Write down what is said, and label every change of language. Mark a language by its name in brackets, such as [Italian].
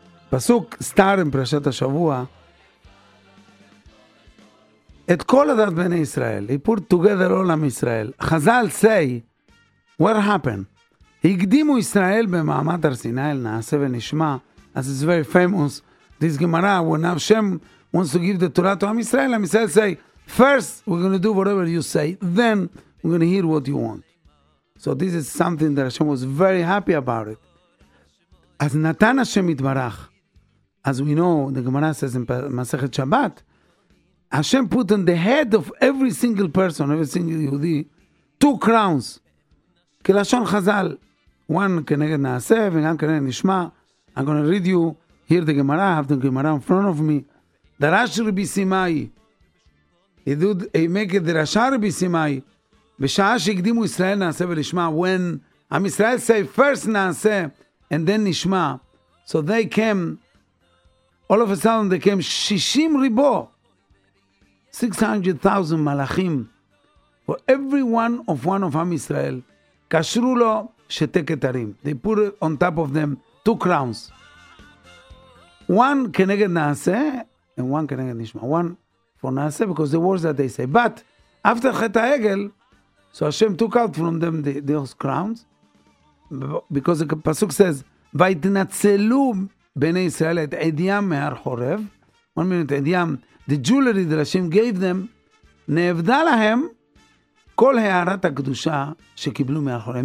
[Hebrew] פסוק סטאר עם פרשת השבוע. את כל עדת בני ישראל. [English] He put together all of Israel. חזל say, what happened? [Hebrew] הקדימו ישראל במעמד הר סיני, נעשה ונשמע. [English] As it's very famous, this Gemara, when Hashem wants to give the Torah to Am Israel, Am Israel say, first we're going to do whatever you say, then we're going to hear what you want. So this is something that Hashem was very happy about it. As Natan Hashem Yitbarach, as we know, the Gemara says in Masechet Shabbat, Hashem put on the head of every single person, every single Yehudi, two crowns. [Hebrew] Kelashon Chazal, one keneged Naaseh, and one keneged Nishma. [English] I'm going to read you here the Gemara, I have the Gemara in front of me. The Rashi Rabbi Simai, he make it the Rashi Rabbi Simai, [Hebrew] בשעה שהקדימו ישראל נעשה ונשמע, [English] when עם ישראל say first נעשה and then נשמע, so they came, all of a sudden they came 60 ריבו, 600,000 מלאכים, for every one of עם ישראל, [Hebrew] קשרו לו שתי כתרים. [English] They put on top of them two crowns. One כנגד נעשה and one כנגד נשמע. One for נעשה because the words that they say. But after חטא העגל, so Hashem took out from them those crowns because the pasuk says [Hebrew] "Vaitnatzelu bnei Yisrael et ediyam mehar chorev." [English] One minute, ediyam, the jewelry that Hashem gave them, [Hebrew] ne'evda lahem kol he'arat hakedusha shekiblu mehar chorev.